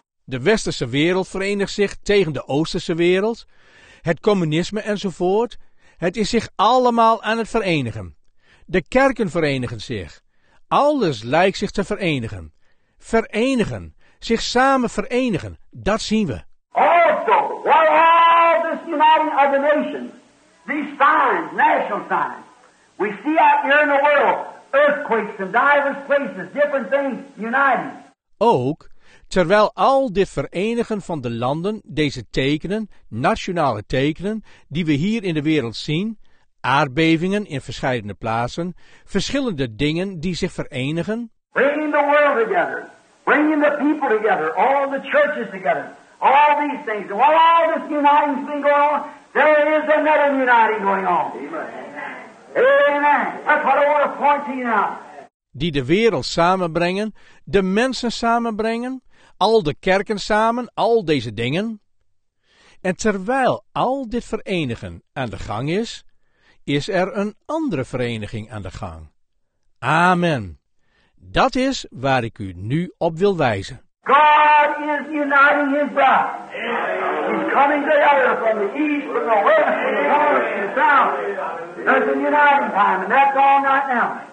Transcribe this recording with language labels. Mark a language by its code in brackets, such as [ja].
[nl] De westerse wereld verenigt zich tegen de oosterse wereld. het communisme enzovoort, het is zich allemaal aan het verenigen. De kerken verenigen zich. Alles lijkt zich te verenigen. Verenigen, zich samen verenigen, dat zien we. [en] Also, while all this uniting of the nations, these signs, national signs, we see out here in the world, earthquakes in diverse places, different things uniting. [nl] Ook, terwijl al dit verenigen van de landen, deze tekenen, nationale tekenen, die we hier in de wereld zien, aardbevingen in verschillende plaatsen, verschillende dingen die zich verenigen, [en] bringing the world together, bringing the people together, all the churches together, all these things, and while all this uniting thing going on, there is another uniting going on. Amen. Amen. That's what I want to point to you now. [nl] Die de wereld samenbrengen, de mensen samenbrengen, al de kerken samen, al deze dingen. En terwijl al dit verenigen aan de gang is, is er een andere vereniging aan de gang. Amen. Dat is waar ik u nu op wil wijzen. [en] God is uniting his bride. He's coming together from the east, from the west, from the north, from the south. There's a uniting time, and that's all right now.